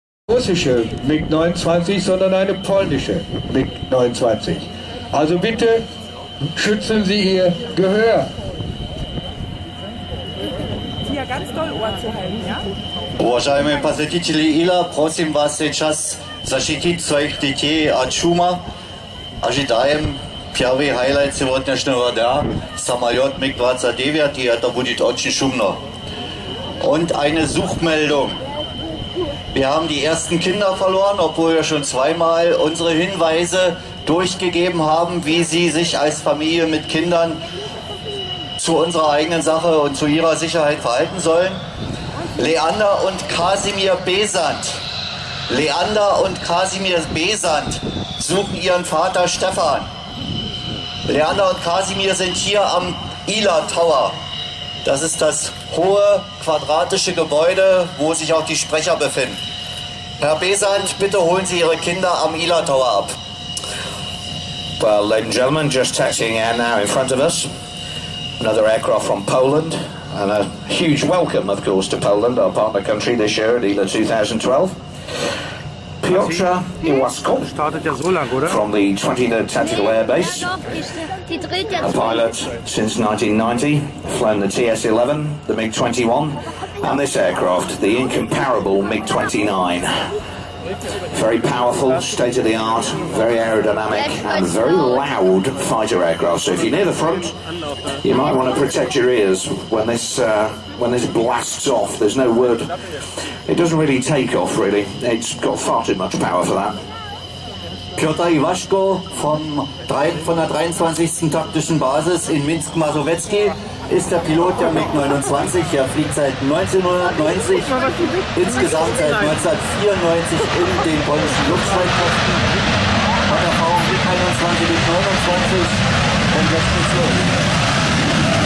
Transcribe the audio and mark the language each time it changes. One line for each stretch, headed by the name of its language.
German: russische MiG-29, sondern eine polnische MiG-29. Also bitte schützen Sie Ihr Gehör. Hier ganz doll Ohr zu halten, ja?
Russian: Уважаемые посетители ИЛА, просим вас сейчас защитить своих детей от шума. Ожидаем первый хайлайт сегодняшнего дня. Самолет МиГ-29, и это будет очень шумно.
German: Und eine Suchmeldung. Wir haben die ersten Kinder verloren, obwohl wir schon zweimal unsere Hinweise durchgegeben haben, wie sie sich als Familie mit Kindern zu unserer eigenen Sache und zu ihrer Sicherheit verhalten sollen. Leander und Kasimir Besant. Leander und Kasimir Besant suchen ihren Vater Stefan. Leander und Kasimir sind hier am ILA Tower. Das ist das hohe quadratische Gebäude, wo sich auch die Sprecher befinden. Herr Besant, bitte holen Sie Ihre Kinder am ILA Tower ab.
English: Well, ladies and gentlemen, just taxiing out now in front of us. Another aircraft from Poland. And a huge welcome, of course, to Poland, our partner country this year at ILA 2012. Piotr Iwasko, from the 23rd Tactical Air Base. A pilot since 1990, flown the TS-11, the MiG-21, and this aircraft, the incomparable MiG-29. Very powerful, state-of-the-art, very aerodynamic, and very loud fighter aircraft. So if you're near the front, you might want to protect your ears when this blasts off. There's no word. It doesn't really take off, really. It's got far too much power for that.
German: Piotr Iwasko von der 23. Taktischen Basis in Minsk-Masowetski ist der Pilot der MiG-29. Er fliegt seit 1990, insgesamt seit 1994 in den polnischen Luftstreitkräften. Hat Erfahrung mit 21 bis 29 und jetzt geht's los.